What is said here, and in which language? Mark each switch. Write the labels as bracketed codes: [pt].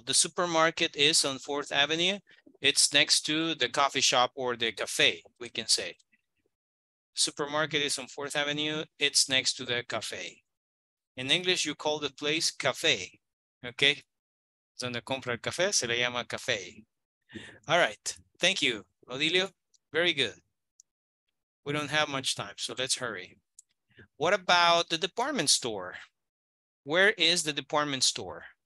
[en] The supermarket is on 4th Avenue. It's next to the coffee shop or the cafe, we can say. Supermarket is on 4th Avenue. It's next to the cafe. In English, you call the place cafe. Okay. [es] Donde compra el café, se le llama café. [en] All right, thank you, Odilio. Very good. We don't have much time, so let's hurry. What about the department store? Where is the department store?